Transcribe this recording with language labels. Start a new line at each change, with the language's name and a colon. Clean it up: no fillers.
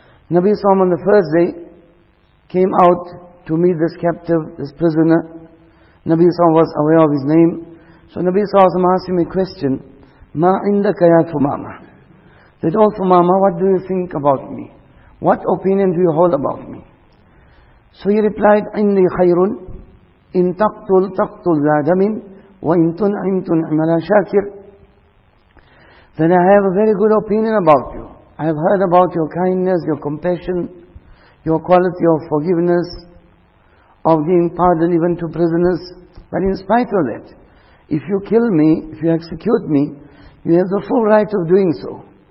English: Nabi Sallam on the first day came out to meet this captive, this prisoner. Nabi Sallam was aware of his name. So Nabi Sallam asked him a question,
Arabic: مَا عِنْدَكَ يَا ثُمَامَةَ.
English: Said, oh Thumama, what do you think about me? What opinion do you hold about me? So he replied,
Arabic: إِنِّي خَيْرٌ إِن تَقْتُلْ تَقْتُلْ ذَا دَمٍ وَإِن تُنْعِمْ تُنْعِمْ عَلَى شَاكِرٍ.
English: Then I have a very good opinion about you. I have heard about your kindness, your compassion, your quality of forgiveness, of giving pardon even to prisoners. But in spite of that, if you kill me, if you execute me, you have the full right of doing so.